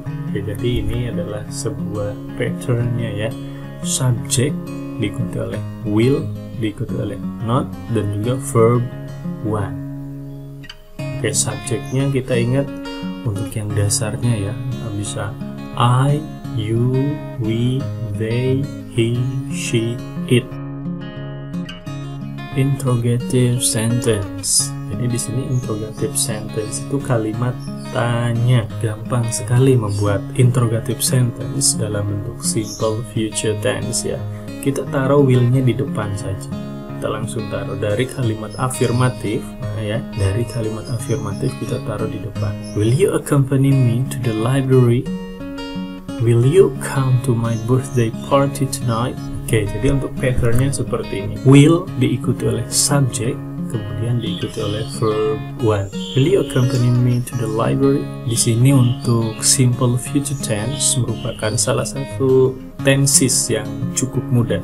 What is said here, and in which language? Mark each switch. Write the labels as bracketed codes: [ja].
[id] Oke, jadi ini adalah sebuah patternnya ya. Subject diikuti oleh will, diikuti oleh not, dan juga verb 1. Oke, subjeknya kita ingat untuk yang dasarnya ya. Bisa I, you, we, they, he, she, it. Interrogative sentence. Jadi di sini interrogative sentence itu kalimat tanya. Gampang sekali membuat interrogative sentence dalam bentuk simple future tense ya. Kita taruh will-nya di depan saja. Kita langsung taruh dari kalimat afirmatif, nah ya. Dari kalimat afirmatif kita taruh di depan. [en] Will you accompany me to the library? Will you come to my birthday party tonight? [id] Oke, jadi untuk pattern-nya seperti ini. Will diikuti oleh subject, kemudian diikuti oleh verb 1. [en] Will you accompany me to the library? [id] Di sini untuk simple future tense merupakan salah satu tenses yang cukup mudah.